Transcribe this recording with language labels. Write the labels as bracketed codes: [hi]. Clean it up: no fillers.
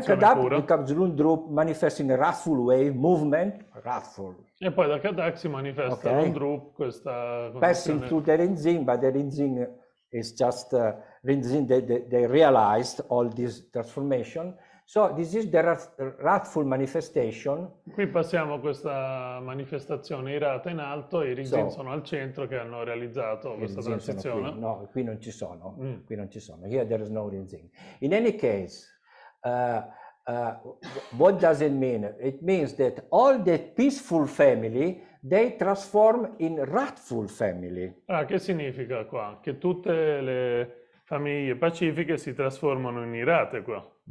[en] And then Kadak becomes Lundrup, manifest in a wrathful way, movement, wrathful. [it] E poi da Kadak si manifesta, okay, Lundrup, questa condizione. [en] Passing through the Rinzin, but the Rinzin is just Rinzin, they realized all this transformation. So this is the wrathful manifestation. [it] Qui passiamo questa manifestazione irata in alto, i Rinzin sono al centro che hanno realizzato questa transizione. Qui. No, qui non ci sono, qui non ci sono. [en] Here there is no Rinzin. In any case, what does it mean? It means that all the peaceful family, they transform in wrathful family. [it] Ah, che significa qua? Che tutte le famiglie pacifiche si trasformano in irate qua.